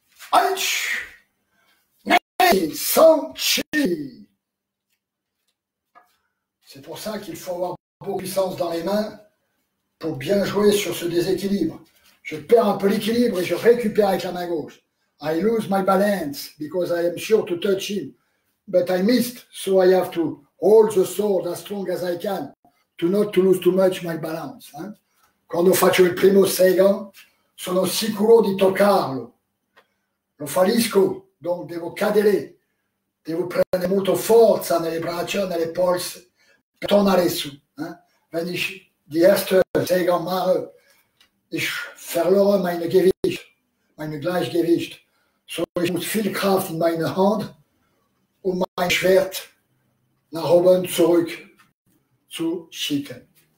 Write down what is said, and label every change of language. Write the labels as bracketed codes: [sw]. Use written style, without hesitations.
[fr] Aïch. Nei. Sanchi. C'est pour ça qu'il faut avoir beaucoup de puissance dans les mains pour bien jouer sur ce déséquilibre. Je perds un peu l'équilibre et je récupère avec la main gauche. [en] I lose my balance because I am sure to touch him. But I missed, so I have to hold the sword as strong as I can to not to lose too much my balance. Hein? [it] Quando faccio il primo Seigan, sono sicuro di toccarlo. Lo fallisco, donc devo cadere. Devo prendere molto forza nelle braccia, nelle polse, per tornare su. [de] Wenn ich die erste Seigan mache, ich verlore meine Gleichgewicht. So ich muss viel Kraft in meine Hand, um mein Schwert nach oben zurück zu schicken.